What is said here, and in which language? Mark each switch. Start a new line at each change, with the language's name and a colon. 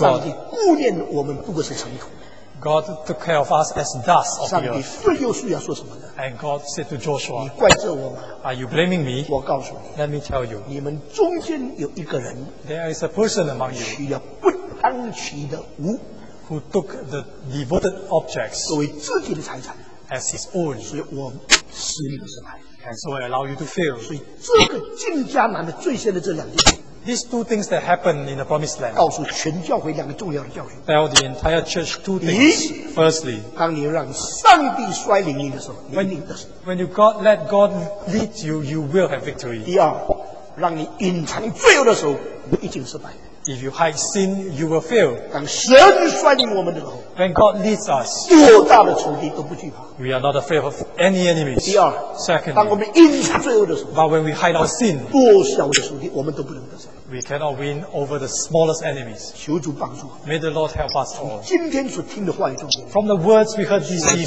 Chinese: 上帝顾念我们，不过是尘土。
English: God took care of us as dust of the earth.
Chinese: 上帝对约书亚说什么呢？
English: And God said to Joshua,
Chinese: 你怪罪我吗？
English: Are you blaming me?
Chinese: 我告诉你，
English: Let me tell you,
Chinese: 你们中间有一个人，
English: There is a person among you,
Chinese: 取了不当取的物，
English: who took the devoted objects,
Chinese: 作为自己的财产，
English: as his own,
Chinese: 所以我使你失败，
English: and so I allow you to fail.
Chinese: 所以这个进迦南的最先的这两件事，
English: These two things that happen in the Promised Land.
Chinese: 告诉全教会两个重要的教训。
English: Tell the entire church two things. Firstly,
Chinese: 当你让上帝率领你的时候，你赢的。
English: When you God let God lead you, you will have victory.
Chinese: 第二，让你隐藏罪恶的时候，你已经失败。
English: If you hide sin, you will fail.
Chinese: 当神率领我们的时候
English: ，When God leads us,
Chinese: 多大的仇敌都不惧怕。
English: We are not afraid of any enemies.
Chinese: 第二
English: ，Second,
Chinese: 当我们隐藏罪恶的时候
English: ，But when we hide our sin,
Chinese: 多小的仇敌我们都不能得胜。
English: We cannot win over the smallest enemies.
Chinese: 求主帮助。
English: May the Lord help us all.
Chinese: 今天所听的话语中
English: ，From the words we heard this evening,